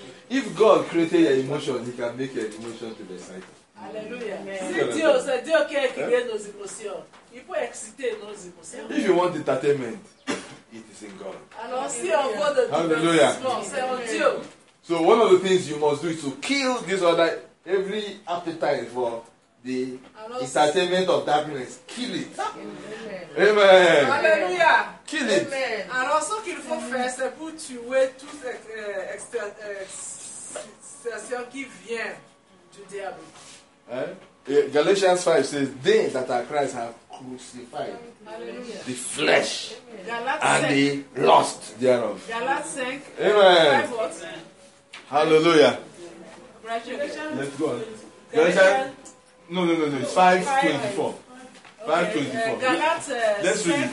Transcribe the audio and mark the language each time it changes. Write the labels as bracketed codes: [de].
[en] If God created your emotion, He can make your emotion to be excited. Hallelujah. [fr] Si Dieu, c'est Dieu qui a créé nos émotions. Il peut exciter nos émotions. [en] If you want entertainment, it is in God. [fr] Alors si on veut de divertissement, c'est en Dieu. [en] So one of the things you must do is to kill this other every appetite for the entertainment of darkness. Kill it. Amen. Alléluia. Kill it. [fr] Alors, ce qu'il faut faire, c'est pour tuer toute situation qui vient du diable. [en] Galatians 5 says, they that are Christ have crucified the flesh and the lust thereof. Galatians 5. Amen. Hallelujah. Let's go on. No. It's 5:24. 5:24. Let's read it.